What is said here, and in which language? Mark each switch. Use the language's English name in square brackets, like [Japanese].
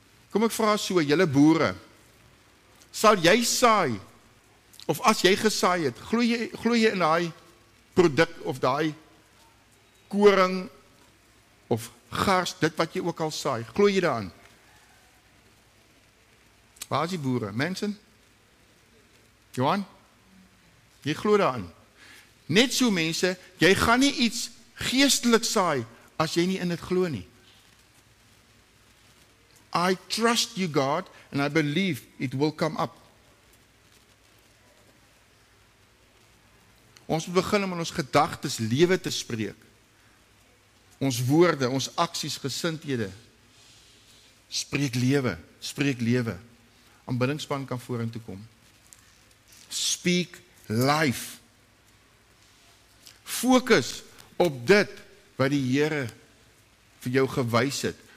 [Afrikaans] Kom ek vra so, julle boere, sal jy saai, of as jy gesaai het, gloei jy in daai produk of daai koring of gars, dit wat jy ook al saai, gloei jy daarin? Waar is die boere? Mensen? Johan? Jy glo daarin. Net so mense, jy gaan nie iets geestelik saai as jy nie in dit glo nie. [English] I trust you God and I believe it will come up. [Afrikaans] Ons moet begin om in ons gedagtes lewe te spreek. Ons woorde, ons aksies, gesindhede. Spreek lewe, spreek lewe. Aanbiddingspan kan vorentoe kom. [English] Speak life. [Afrikaans] Fokus op dit wat die Here vir jou gewys het.